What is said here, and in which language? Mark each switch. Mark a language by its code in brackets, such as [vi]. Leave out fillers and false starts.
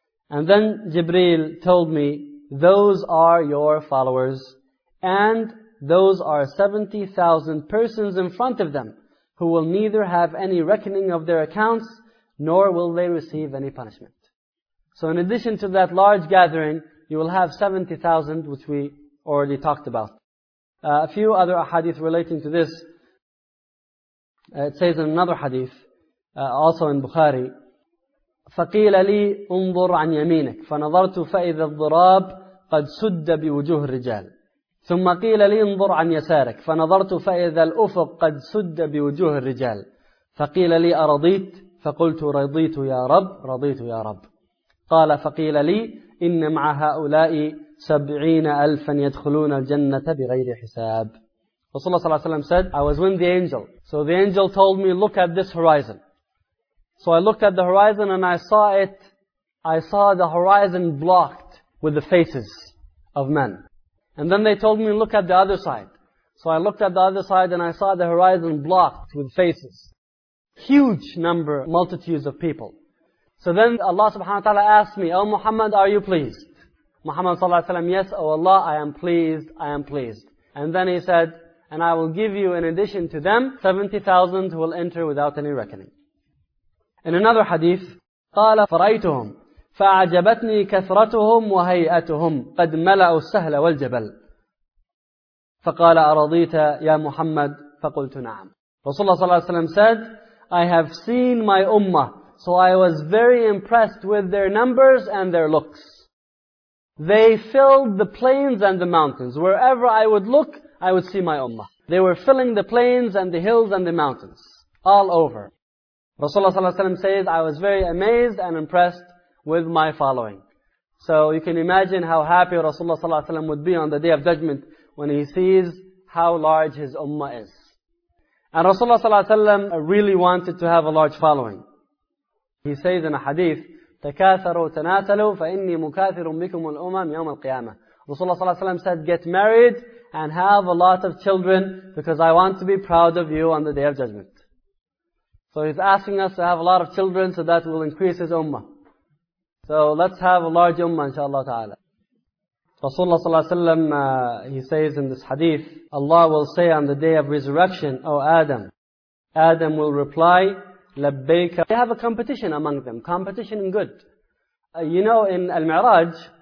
[en] And then Jibreel told me, those are your followers, and those are 70,000 persons in front of them, who will neither have any reckoning of their accounts, nor will they receive any punishment. So in addition to that large gathering, you will have 70,000, which we already talked about. A few other ahadith relating to this. [ar] It says in another hadith, also in Bukhari, فَقِيلَ لِي أُنظُرْ عَنْ يَمِينَكَ فَنَظَرْتُ فَإِذَا الضُّرَابُ قَدْ سُدَّ بِوُجُوهِ الرِّجَالِ ثم قيل لي انظر عن يسارك فنظرت فإذا الأفق قد سد بوجوه الرجال فقيل لي أرضيت فقلت رضيت يا رب رضيت يا رب قال فقيل لي إن مع هؤلاء 70,000 يدخلون الجنة بغير حساب. رسول الله صلى الله عليه وسلم [en] said, I was with the angel. So the angel told me, look at this horizon. So I looked at the horizon and I saw the horizon blocked with the faces of men. And then they told me, look at the other side. So I looked at the other side and I saw the horizon blocked with faces. Huge number, multitudes of people. So then Allah subhanahu wa ta'ala asked me, O Muhammad, are you pleased? Muhammad sallallahu alayhi wa sallam, yes, O Allah, I am pleased, I am pleased. And then he said, and I will give you in addition to them, 70,000 who will enter without any reckoning. [ar] In another hadith, قَالَ فَرَيْتُهُمْ فَأَعْجَبَتْنِي كَثْرَتُهُمْ وَهَيْئَتُهُمْ قَدْ مَلَأُوا السَّهْلَ وَالْجَبَلِ فَقَالَ أَرَضِيتَ يَا مُحَمَّدْ فَقُلْتُ نَعَمْ. [en] Rasulullah sallallahu alayhi wa sallam said, I have seen my ummah, so I was very impressed with their numbers and their looks. They filled the plains and the mountains. Wherever I would look, I would see my ummah. They were filling the plains and the hills and the mountains, all over. Rasulullah sallallahu alayhi wa sallam says, I was very amazed and impressed with my following. So you can imagine how happy Rasulullah sallallahu alayhi wa sallam would be on the Day of Judgment when he sees how large his ummah is. And Rasulullah sallallahu alayhi wa sallam really wanted to have a large following. [ar] He says in a hadith, تَكَاثَرُوا تَنَاثَلُوا فَإِنِّي مُكَاثِرٌ بِكُمُ الْأُمَمْ يَوْمَ الْقِيَامَةِ. [en] Rasulullah sallallahu alayhi wa sallam said, get married and have a lot of children because I want to be proud of you on the Day of Judgment. So he's asking us to have a lot of children so that will increase his ummah. So let's have a large ummah, inshaAllah ta'ala. Rasulullah sallallahu alayhi wa sallam, he says in this hadith, Allah will say on the day of resurrection, O Adam, Adam will reply, لَبَّيْكَ. They have a competition among them, competition in good. You know, in Al-Mi'raj,